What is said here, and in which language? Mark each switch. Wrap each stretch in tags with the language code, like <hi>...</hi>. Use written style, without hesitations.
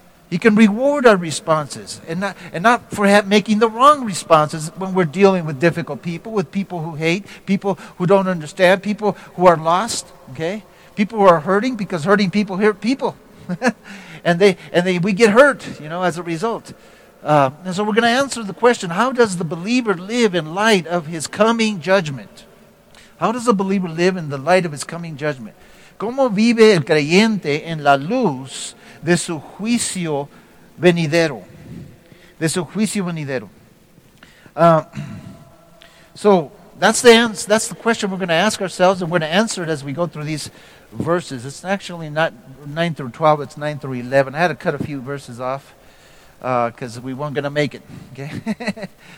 <en>He can reward our responses and not for making the wrong responses when we're dealing with difficult people, with people who hate, people who don't understand, people who are lost, okay? People who are hurting, because hurting people hurt people. and we get hurt, you know, as a result. And so we're going to answer the question, how does the believer live in light of His coming judgment? How does the believer live in the light of His coming judgment?</en> <es>¿Cómo vive el creyente en la luz de su juicio venidero? De su juicio venidero.</es> <en>So, that's the question we're going to ask ourselves, and we're going to answer it as we go through these verses. It's actually not 9 through 12, it's 9 through 11. I had to cut a few verses off because we weren't going to make it. Okay?</en>